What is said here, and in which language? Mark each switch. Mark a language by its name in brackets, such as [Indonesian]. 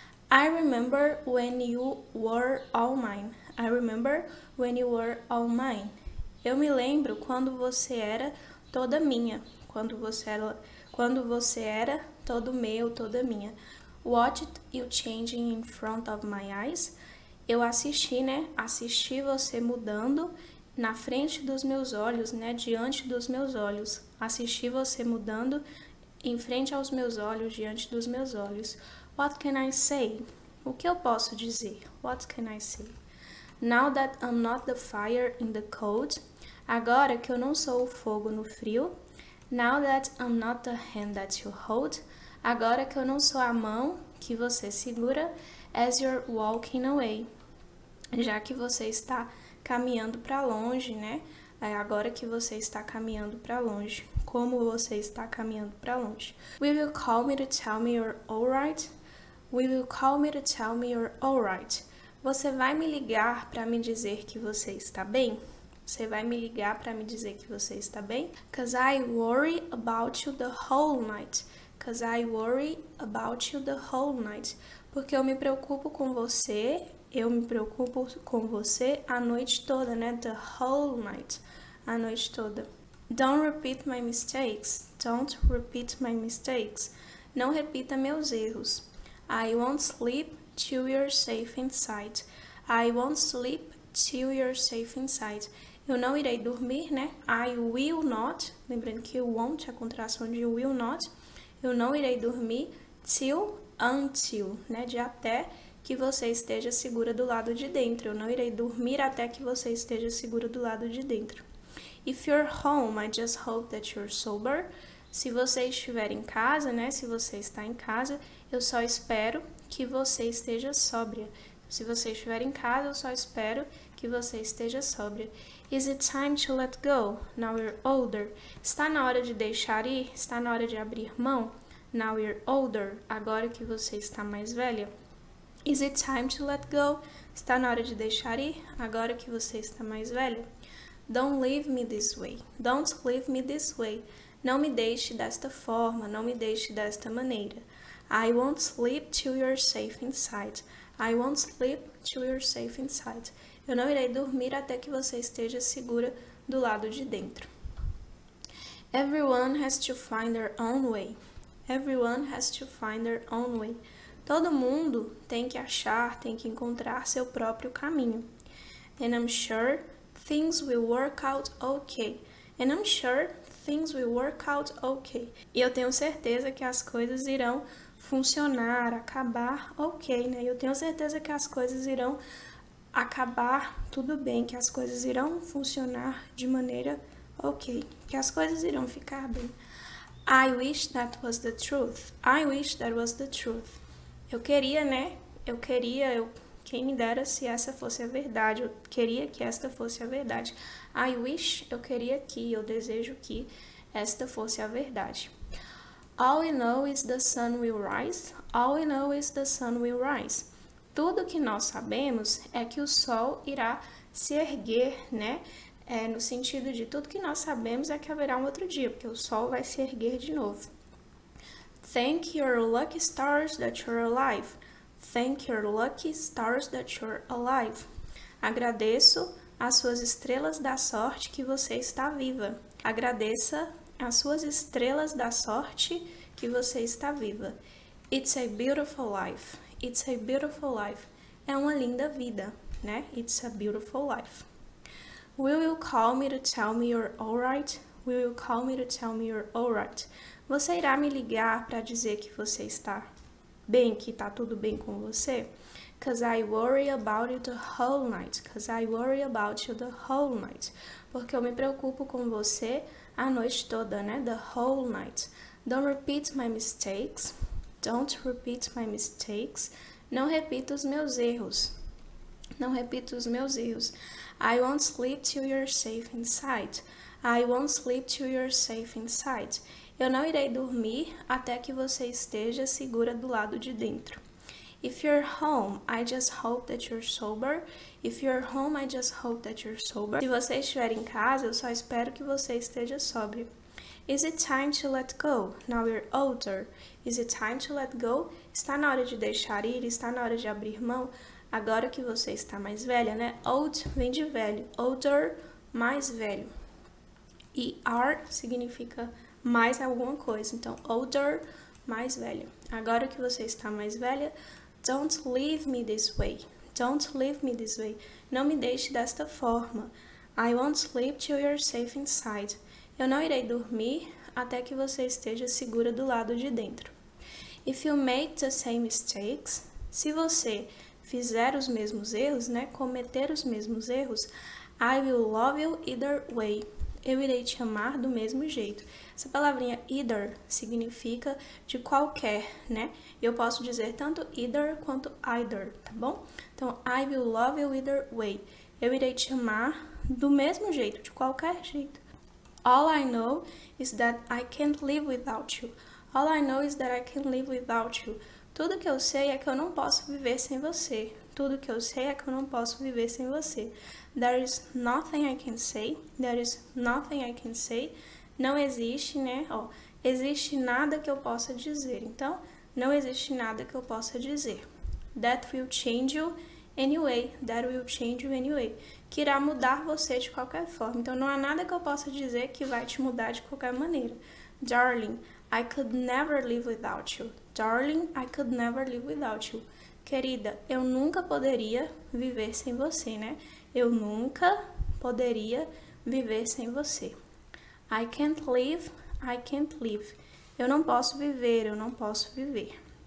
[English] I remember when you were all mine. I remember when you were all mine. [Portuguese] Eu me lembro quando você era toda minha. Quando você era todo meu, toda minha. [English] Watched you changing in front of my eyes. [Portuguese] Eu assisti, né? Assisti você mudando na frente dos meus olhos, né? Diante dos meus olhos. Assisti você mudando em frente aos meus olhos, diante dos meus olhos. [English] What can I say? [Portuguese] O que eu posso dizer? [English] What can I say? Now that I'm not the fire in the cold. [Portuguese] Agora que eu não sou o fogo no frio. [English] Now that I'm not the hand that you hold. [Portuguese] Agora que eu não sou a mão que você segura. [English] As you're walking away. [Portuguese] Já que você está caminhando para longe, né? Agora que você está caminhando para longe. Como você está caminhando para longe? [English] Will you call me to tell me you're alright? Will you call me to tell me you're alright? [Portuguese] Você vai me ligar para me dizer que você está bem? Você vai me ligar para me dizer que você está bem? [English] 'Cause I worry about you the whole night. Because I worry about you the whole night. [Portuguese] Porque eu me preocupo com você. Eu me preocupo com você a noite toda, né? [English] The whole night. [Portuguese] A noite toda. [English] Don't repeat my mistakes. Don't repeat my mistakes. [Portuguese] Não repita meus erros. [English] I won't sleep till you're safe inside. I won't sleep till you're safe inside. [Portuguese] Eu não irei dormir, né? [English] I will not. [Portuguese] Lembrando que o won't é a contração de will not. Eu não irei dormir till, until, né? De até que você esteja segura do lado de dentro. Eu não irei dormir até que você esteja segura do lado de dentro. [English] If you're home, I just hope that you're sober. [Portuguese] Se você estiver em casa, né? Se você está em casa, eu só espero que você esteja sóbria. Se você estiver em casa, eu só espero que você esteja sóbria. [English] Is it time to let go? Now you're older. [Portuguese] Está na hora de deixar ir? Está na hora de abrir mão? [English] Now you're older. [Portuguese] Agora que você está mais velha. [English] Is it time to let go? [Portuguese] Está na hora de deixar ir? Agora que você está mais velha. [English] Don't leave me this way. Don't leave me this way. [Portuguese] Não me deixe desta forma. Não me deixe desta maneira. [English] I won't sleep till you're safe inside. I won't sleep till you're safe inside. [Portuguese] Eu não irei dormir até que você esteja segura do lado de dentro. [English] Everyone has to find their own way. Everyone has to find their own way. [Portuguese] Todo mundo tem que achar, tem que encontrar seu próprio caminho. [English] And I'm sure things will work out okay. And I'm sure things will work out okay. [Portuguese] E eu tenho certeza que as coisas irão funcionar, acabar ok, né? Eu tenho certeza que as coisas irão acabar tudo bem, que as coisas irão funcionar de maneira ok, que as coisas irão ficar bem. [English] I wish that was the truth. I wish that was the truth. [Portuguese] Eu queria, né? Eu queria, eu. Quem me dera se essa fosse a verdade. Eu queria que esta fosse a verdade. [English] I wish, [Portuguese] eu queria que, eu desejo que esta fosse a verdade. [English] All we know is the sun will rise. All we know is the sun will rise. [Portuguese] Tudo que nós sabemos é que o sol irá se erguer, né? É, no sentido de tudo que nós sabemos é que haverá um outro dia, porque o sol vai se erguer de novo. [English] Thank your lucky stars that you're alive. Thank your lucky stars that you're alive. [Portuguese] Agradeço às suas estrelas da sorte que você está viva. Agradeça às suas estrelas da sorte que você está viva. [English] It's a beautiful life. It's a beautiful life. [Portuguese] É uma linda vida, né? [English] It's a beautiful life. Will you call me to tell me you're alright? Will you call me to tell me you're alright? [Portuguese] Você irá me ligar para dizer que você está bem, que tá tudo bem com você? [English] Cause I worry about you the whole night. Cause I worry about you the whole night. [Portuguese] Porque eu me preocupo com você a noite toda, né? [English] The whole night. Don't repeat my mistakes. Don't repeat my mistakes. [Portuguese] Não repita os meus erros. Não repita os meus erros. [English] I won't sleep till you're safe inside. I won't sleep till you're safe inside. [Portuguese] Eu não irei dormir até que você esteja segura do lado de dentro. [English] If you're home, I just hope that you're sober. If you're home, I just hope that you're sober. [Portuguese] Se você estiver em casa, eu só espero que você esteja sóbrio. [English] Is it time to let go? Now you're older. Is it time to let go? [Portuguese] Está na hora de deixar ir, está na hora de abrir mão. Agora que você está mais velha, né? Old vem de velho. Older, mais velho. E are significa mais alguma coisa. Então, older, mais velho. Agora que você está mais velha, [English] don't leave me this way. Don't leave me this way. [Portuguese] Não me deixe desta forma. [English] I won't sleep till you're safe inside. [Portuguese] Eu não irei dormir até que você esteja segura do lado de dentro. [English] If you make the same mistakes, [Portuguese] se você fizer os mesmos erros, [English] né, cometer os mesmos erros, I will love you either way. [Portuguese] Eu irei te amar do mesmo jeito. Essa palavrinha either significa de qualquer, né? Eu posso dizer tanto either quanto either, tá bom? [English] Então, I will love you either way. [Portuguese] Eu irei te amar do mesmo jeito, de qualquer jeito. [English] All I know is that I can't live without you. All I know is that I can't live without you. [Portuguese] Tudo que eu sei é que eu não posso viver sem você. Tudo que eu sei é que eu não posso viver sem você. [English] There is nothing I can say. There is nothing I can say. [Portuguese] Não existe, né? Ó, Existe nada que eu possa dizer. Então, não existe nada que eu possa dizer. [English] That will change you anyway. That will change you anyway. [Portuguese] Que irá mudar você de qualquer forma. Então, não há nada que eu possa dizer que vai te mudar de qualquer maneira. [English] Darling, I could never live without you. Darling, I could never live without you. [Portuguese] Querida, eu nunca poderia viver sem você, né? Eu nunca poderia viver sem você. [English] I can't live, I can't live. [Portuguese] Eu não posso viver, eu não posso viver.